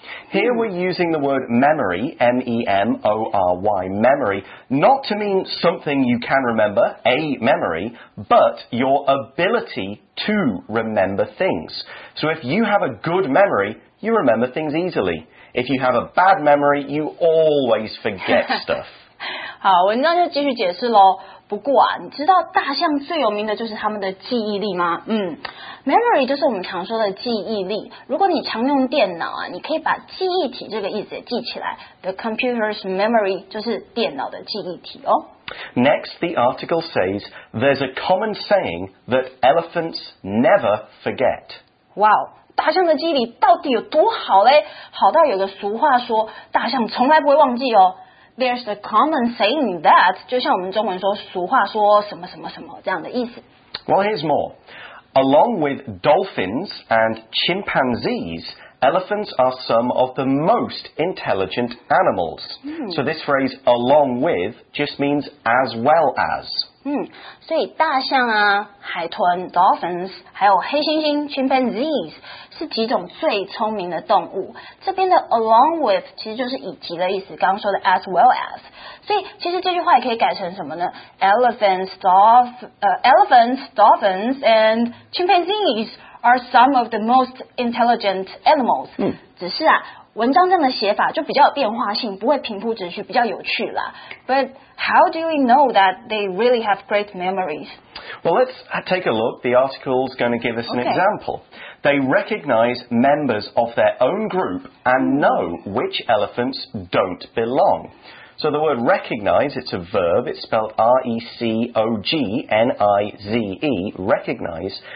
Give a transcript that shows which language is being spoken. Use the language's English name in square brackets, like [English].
[English] Here we're using the word memory, M-E-M-O-R-Y, memory, not to mean something you can remember, a memory, but your ability to remember things. So if you have a good memory,You remember things easily. If you have a bad memory, you always forget stuff. [Chinese] 好，文章就继续解释咯。不过啊，你知道大象最有名的就是他们的记忆力吗？ memory 就是我们常说的记忆力。如果你常用电脑啊，你可以把记忆体这个意思也记起来。 [English] The computer's memory [Chinese] 就是电脑的记忆体哦。 [English] Next, the article says, there's a common saying that elephants never forget. Wow. [Chinese] 大象的记忆力到底有多好嘞？好到有个俗话说，大象从来不会忘记哦。 [English] There's a common saying that, [Chinese] 就像我们中文说俗话说什么什么什么这样的意思。 [English] Well, here's more. Along with dolphins and chimpanzees, elephants are some of the most intelligent animals. So this phrase, along with, just means as well as. [Chinese] 所以大象啊、海豚 dolphins 还有黑猩猩 chimpanzees 是几种最聪明的动物。这边的 along with 其实就是以及的意思，刚刚说的 as well as。所以其实这句话也可以改成什么呢 ？ [English] Elephants, dolphins, and chimpanzees are some of the most intelligent animals。 [Chinese] 只是啊。文章这样的写法就比较有变化性，不会平铺直叙，比较有趣啦。 [English] But how do we know that they really have great memories? Well, let's take a look. The article's going to give us an example. They recognize members of their own group and know which elephants don't belong. So the word recognize, it's a verb. It's spelled R-E-C-O-G-N-I-Z-E, recognize.